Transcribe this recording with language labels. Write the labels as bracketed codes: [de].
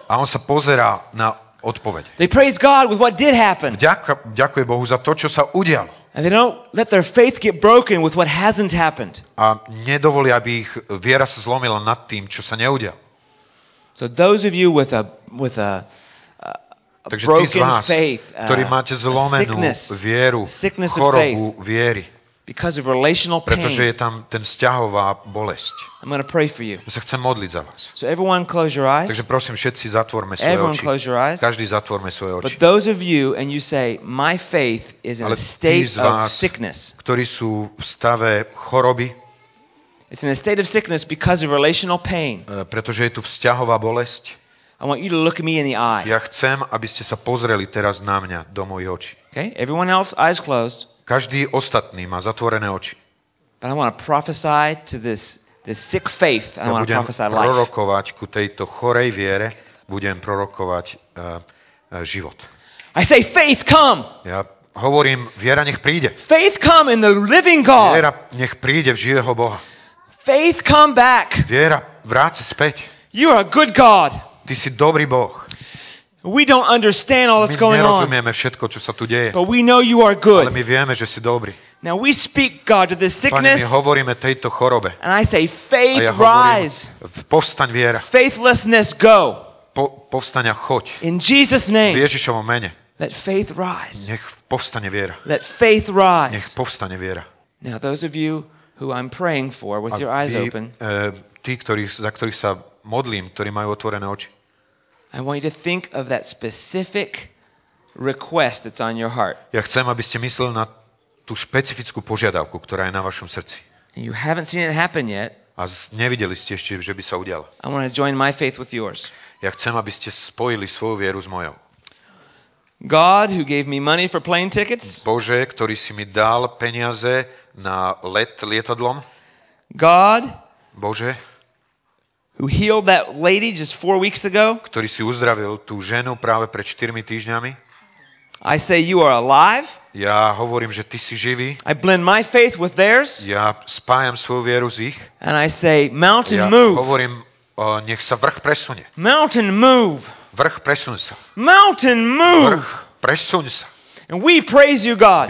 [sk] A on sa pozerá na odpoveď. [en] They praise God with what did happen. [sk] Ďakuje Bohu za to, čo sa udialo. [en] And they don't let their faith get broken with what hasn't happened. [sk] A nedovolia, aby ich viera sa zlomila nad tým, čo sa neudialo. [en] So those of you with a broken [sk] vás, [en] faith, [sk] ktorí máte zlomenú vieru, chorobu viery. [en] Because of relational pain. [sk] Pretože je tam ten vzťahová bolesť. [en] I'm going to pray for you. [sk] Sa chcem modliť za vás. [en] So everyone close your eyes. [sk] Takže prosím, všetci zatvorme svoje [en] everyone [sk] oči. [en] Close your eyes. [sk] Každý zatvorme svoje oči. [en] But those of you and you say my faith is in a state of sickness. [sk] Ktorí sú v stave choroby. [en] It's in a state of sickness because of relational pain. [sk] Pretože je tu vzťahová bolesť. [en] I want you to look me in the eye. [sk] Ja chcem, aby ste sa pozreli teraz na mňa do mojich očí. [en] Okay? Everyone else eyes closed. [sk] Každý ostatný má zatvorené oči. [en] But I want to prophesy to this sick faith. I want to prophesy life. [sk] Budem prorokovať ku tejto chorej viere, budem prorokovať život. [en] I say faith come. [sk] Ja hovorím, viera nech príde. [en] Faith come in the living God. [sk] Viera nech príde v živého Boha. [en] Faith come back. [sk] Viera vráť sa späť. [en] You are a good God. [sk] Ty si dobrý Boh. [en] We don't understand all that's going on. [sk] My nerozumieme všetko, čo sa tu deje. [en] But we know you are good. [sk] Ale my vieme, že si dobrý. [en] Now we speak God to this sickness. [sk] Pane, my hovoríme tejto chorobe. [en] And I say faith [sk] a ja hovorím, [en] rise. [sk] Povstaň viera. [en] Faithlessness go. [sk] Povstaň a choď. [en] In Jesus name. [sk] V Ježišovom mene. [en] Let faith rise. [sk] Nech povstane viera. [en] Let faith rise. [sk] Nech povstane viera. [en] Now those of you who I'm praying for with your eyes open. [sk] Tí, za ktorých sa modlím, ktorí majú otvorené oči. [en] I want you to think of that specific request that's on your heart. [sk] Ja chcem, aby ste mysleli na tú špecifickú požiadavku, ktorá je na vašom srdci. [en] You haven't seen it happen yet. [sk] A nevideli ste ešte, že by sa udialo. [en] I want to join my faith with yours. [sk] Ja chcem, aby ste spojili svoju vieru s mojou. [en] God, who gave me money for plane tickets? [sk] Bože, ktorý si mi dal peniaze na let lietadlom? [en] God? [sk] Bože, [en] who healed that lady just 4 weeks ago? [sk] Ktorý si uzdravil tú ženu práve pred 4 týždňami? [en] I say you are alive? [sk] Ja hovorím, že ty si živý. [en] I blend my faith with theirs? [sk] Ja spájam svoju vieru s ich. [en] And I say mountain [sk] ja [en] move. [sk] Ja hovorím, nech sa vrch presunie. [en] Mountain move. [sk] Vrch, presuň sa. [en] Mountain, move. [sk] Vrch, presuň sa. [en] And we praise you, God.